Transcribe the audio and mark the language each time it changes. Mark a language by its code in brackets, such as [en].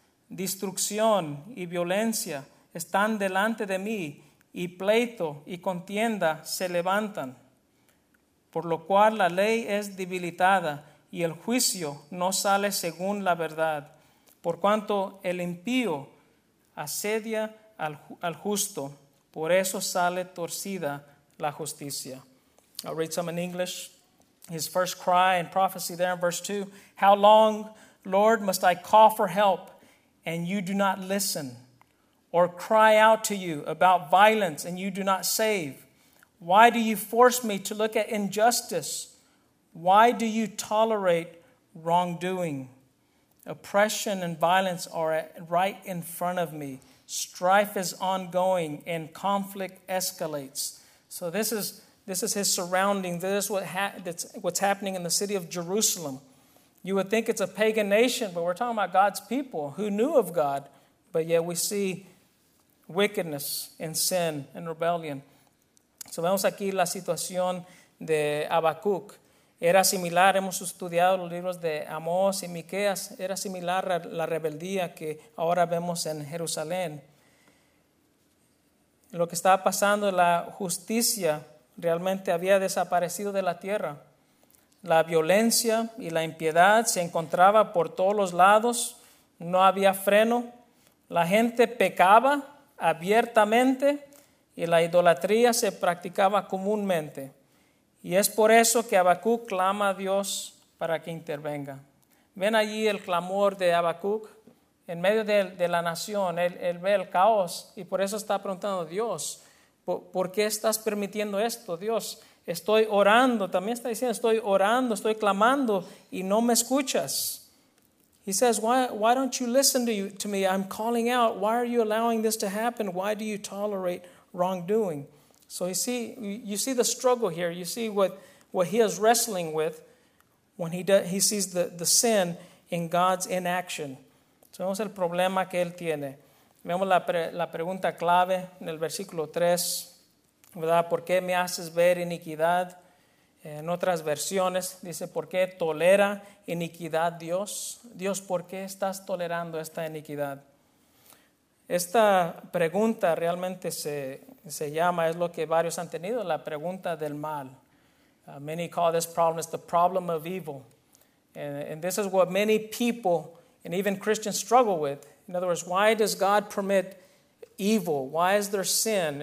[es] Destrucción y violencia están delante de mí y pleito y contienda se levantan. Por lo cual la ley es debilitada y el juicio no sale según la verdad. Por cuanto el impío asedia al justo, por eso sale torcida la justicia. [en] I'll read some in English. His first cry and prophecy there in verse 2. How long, Lord, must I call for help and you do not listen? Or cry out to you about violence and you do not save? Why do you force me to look at injustice? Why do you tolerate wrongdoing? Oppression and violence are right in front of me. Strife is ongoing and conflict escalates. So this is his surrounding. This is what's happening in the city of Jerusalem. You would think it's a pagan nation, but we're talking about God's people who knew of God, but yet we see wickedness and sin and rebellion. [es] So vemos aquí la situación de Habacuc. Era similar, hemos estudiado los libros de Amós y Miqueas, era similar a la rebeldía que ahora vemos en Jerusalén. Lo que estaba pasando, la justicia realmente había desaparecido de la tierra. La violencia y la impiedad se encontraba por todos los lados, no había freno. La gente pecaba abiertamente y la idolatría se practicaba comúnmente. Y es por eso que Habacuc clama a Dios para que intervenga. Ven allí el clamor de Habacuc en medio de la nación. Él ve el caos y por eso está preguntando a Dios, ¿por qué estás permitiendo esto, Dios? Estoy orando, también está diciendo, estoy orando, estoy clamando y no me escuchas. [en] He says, why don't you listen to me? I'm calling out. Why are you allowing this to happen? Why do you tolerate wrongdoing? So you see the struggle here. You see what he is wrestling with when he sees the sin in God's inaction. [es] So vemos el problema que él tiene. Vemos la pregunta clave en el versículo 3, ¿verdad? ¿Por qué me haces ver iniquidad? En otras versiones dice, ¿por qué tolera iniquidad Dios? Dios, ¿por qué estás tolerando esta iniquidad? Esta pregunta realmente se llama, es lo que varios han tenido, la pregunta del mal. [en] Many call this problem, it's the problem of evil. And this is what many people and even Christians struggle with. In other words, why does God permit evil? Why is there sin?